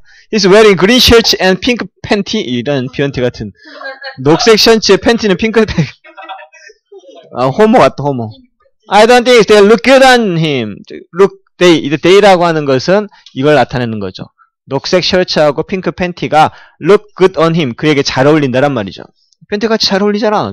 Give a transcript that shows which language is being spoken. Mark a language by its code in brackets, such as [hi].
[en] He's wearing green shirts and pink panty. [ko] 이런 비언트 같은. 녹색 셔츠에 팬티는 핑크색. 아, 호모 같다, 호모. [en] I don't think they look good on him. Look, they. [ko] 이제 they라고 하는 것은 이걸 나타내는 거죠. 녹색 셔츠하고 핑크 팬티가 [en] look good on him. [ko] 그에게 잘 어울린다란 말이죠. 팬티 같이 잘 어울리잖아.